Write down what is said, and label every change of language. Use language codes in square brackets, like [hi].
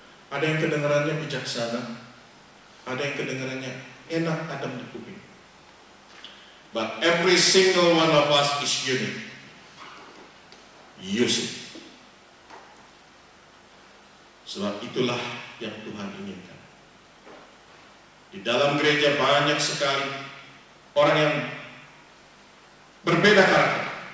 [id] Ada yang kedengarannya bijaksana. Ada yang kedengarannya enak adem di kuping. [en] But every single one of us is unique. Use it. [id] Sebab itulah yang Tuhan inginkan. Di dalam gereja banyak sekali orang yang berbeda karakter.